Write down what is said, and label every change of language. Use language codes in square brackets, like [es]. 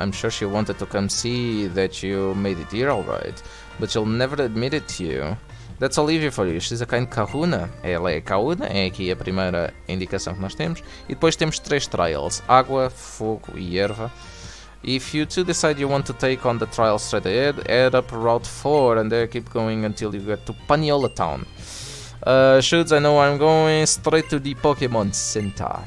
[en] I'm sure she wanted to come see that you made it here, alright. But she'll never admit it to you. That's Olivia for you. She's a kind kahuna. [pt] Ela é kahuna, é aqui a primeira indicação que nós temos. E depois temos três trials: água, fogo e erva. [en] If you two decide you want to take on the trial straight ahead, head up Route 4 and there keep going until you get to Paniola Town. Shoots, I know where I'm going, straight to the Pokémon Center.